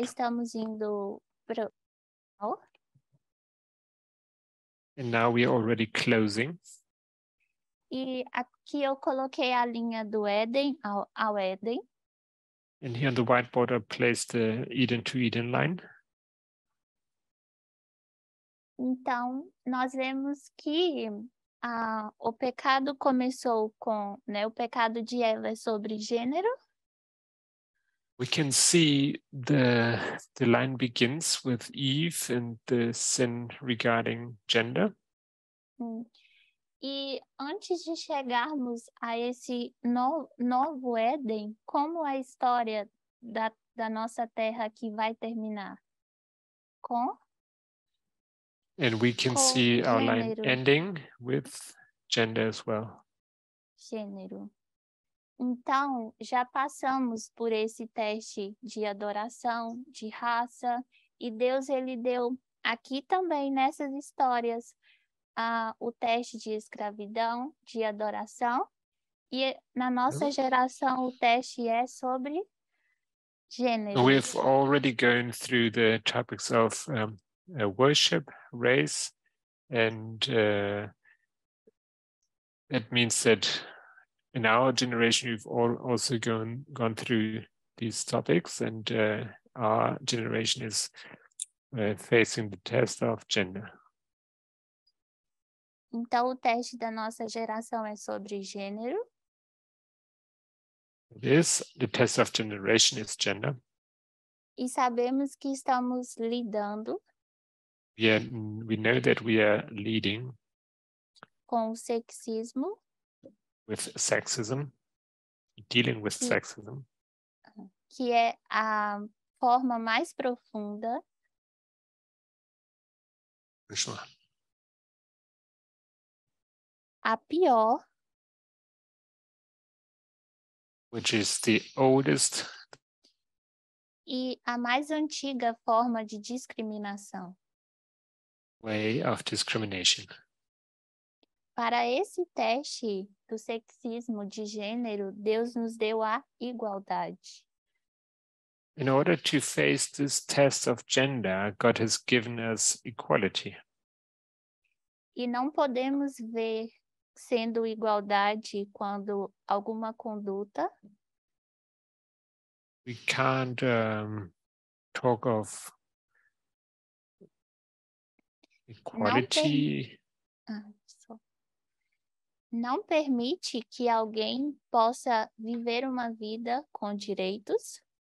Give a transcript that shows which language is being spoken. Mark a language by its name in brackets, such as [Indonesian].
[Portuguese] Já estamos indo para o final. [English] And now we are already closing. [Portuguese] E aqui eu coloquei a linha do Éden ao Éden. [English] And here on the whiteboard I placed the Eden to Eden line. [Portuguese] Então, nós vemos que o pecado começou com, né, o pecado de Eva sobre gênero. [English] We can see the line begins with Eve and the sin regarding gender. [Portuguese] E antes de chegarmos a esse novo Éden, como a história da nossa terra que vai terminar? Com? [English] And we can see our line ending with gender as well. [Portuguese] Gênero. Então, já passamos por esse teste de adoração, de raça, e Deus, ele deu aqui também nessas histórias o teste de escravidão, de adoração, e na nossa geração o teste é sobre gênero. [English] We've already gone through the topics of worship, race, and that means that in our generation we've all also gone through these topics, and our generation is facing the test of gender. [Portuguese] Então, o teste da nossa geração é sobre gênero. [English] This, the test of generation is gender. [Portuguese] E sabemos que estamos lidando. [English] We know that we are leading. [Portuguese] Com o sexismo. [English] With sexism. Dealing with sexism. [Portuguese] Que é a forma mais profunda. [English] Sure. [Portuguese] A pior, [English] which is the oldest, [Portuguese] e a mais antiga forma de discriminação, [English] way of discrimination. [Portuguese] Para esse teste do sexismo de gênero, Deus nos deu a igualdade. [English] In order to face this test of gender, God has given us equality. [Portuguese] E não podemos ver sendo igualdade quando alguma conduta. [English] We can't talk of equality. [Portuguese] Não permite que alguém possa viver uma vida com direitos.